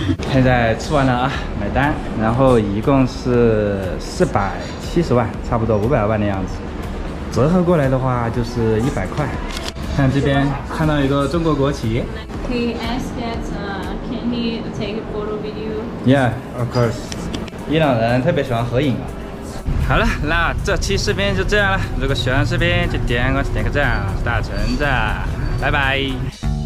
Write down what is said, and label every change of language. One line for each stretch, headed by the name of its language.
Chinese: 现在吃完了啊，买单，然后一共是470万，差不多500万的样子，折合过来的话就是100块。看这边看到一个中国国旗。
English: He asked that, can he take a photo with you? Yeah, of course.
Chinese: 伊朗人特别喜欢合影啊。好了，那这期视频就这样了。如果喜欢视频，就点个赞，大橙子，拜拜。